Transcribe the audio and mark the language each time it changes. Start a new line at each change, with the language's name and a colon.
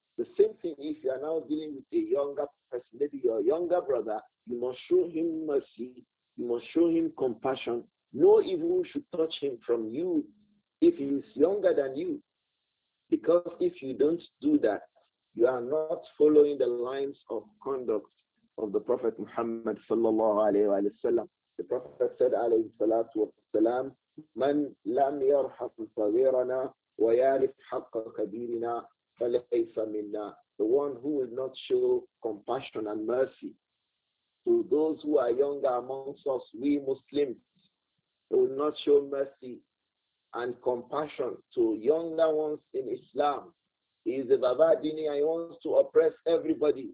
English: The same thing if you are now dealing with a younger person, maybe your younger brother, you must show him mercy, you must show him compassion. No evil should touch him from you if he is younger than you. Because if you don't do that, you are not following the lines of conduct of the Prophet Muhammad sallallahu alayhi wa sallam. The Prophet said
Arabic: alayhi salatu wa sallam, من لم يرحم صغيرنا ويعرف حق كبيرنا فليس منا.
English: The one who will not show compassion and mercy to those who are younger amongst us, we Muslims, who will not show mercy and compassion to younger ones in Islam. He is a Baba Dini and he wants to oppress everybody.